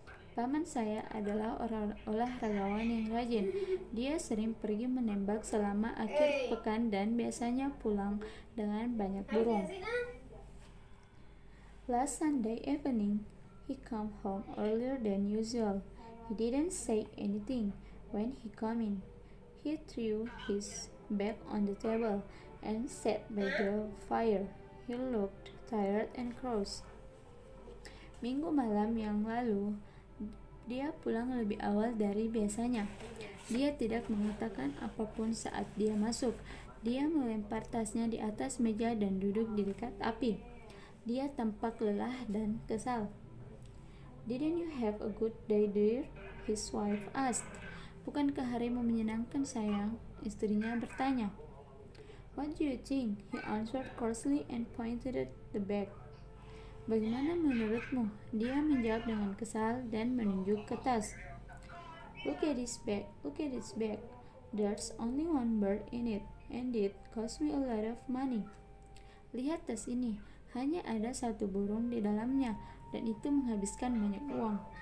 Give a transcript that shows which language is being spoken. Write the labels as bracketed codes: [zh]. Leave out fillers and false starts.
[id] Paman saya adalah orang olahragawan yang rajin. Dia sering pergi menembak selama akhir pekan dan biasanya pulang dengan banyak burung. [en] Last Sunday evening, he came home earlier than usual. He didn't say anything when he came in. He threw his bag on the table and sat by the fire. He looked tired and cross. [id] Minggu malam yang lalu, dia pulang lebih awal dari biasanya. Dia tidak mengatakan apapun saat dia masuk. Dia melempar tasnya di atas meja dan duduk di dekat api. Dia tampak lelah dan kesal. [en] Didn't you have a good day, dear? His wife asked. [id] Bukankah harimu menyenangkan, sayang? Istrinya bertanya. [en] What do you think? He answered coarsely and pointed at the bag. [id] Bagaimana menurutmu? Dia menjawab dengan kesal dan menunjuk ke tas. [en] Look at this bag. There's only one bird in it, and it cost me a lot of money. [id] Lihat tas ini. Hanya ada satu burung di dalamnya, dan itu menghabiskan banyak uang.